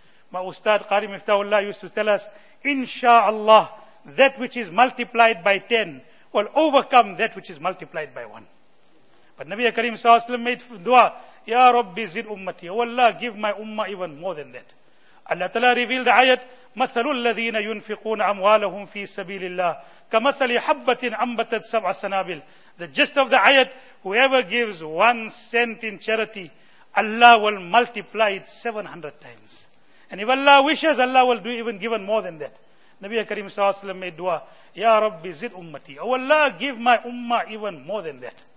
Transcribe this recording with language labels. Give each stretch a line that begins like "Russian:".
English: My Ustad Qari Miftahullah used to tell us, Insha'Allah, that which is multiplied by 10 will overcome that which is multiplied by 1. But Nabi Karim sallallahu alaihi wasallam made dua,
Arabic: Ya Rabbi zid ummati,
English: O Allah, give my ummah even more than that. Allah Ta'ala revealed the ayat,
Arabic: مَثَلُ الَّذِينَ يُنْفِقُونَ أَمْوَالَهُمْ فِي سَبِيلِ اللَّهِ كَمَثَلِ حَبَّةٍ أَمْبَتَتْ سَبْعَ سَنَابِلِ.
English: The gist of the ayat, whoever gives 1 cent in charity, Allah will multiply it 700 times. And if Allah wishes, Allah will do even given more than that. Nabi Karim sallallahu alayhi wa sallam made dua,
Arabic: Ya Rabbi zid ummati,
English: O Allah, give my ummah even more than that.